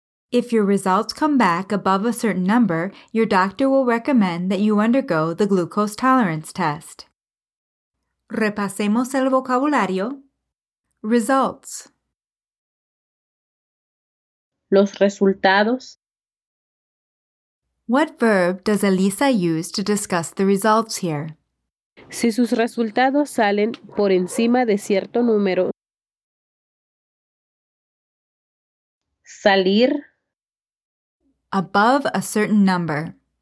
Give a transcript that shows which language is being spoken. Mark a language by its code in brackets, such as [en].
[en] If your results come back above a certain number, your doctor will recommend that you undergo the glucose tolerance test. [es] Repasemos el vocabulario. [en] Results. [es] Los resultados. [en] What verb does Elisa use to discuss the results here? [es] Si sus resultados salen por encima de cierto número. Salir. [en] Above a certain number.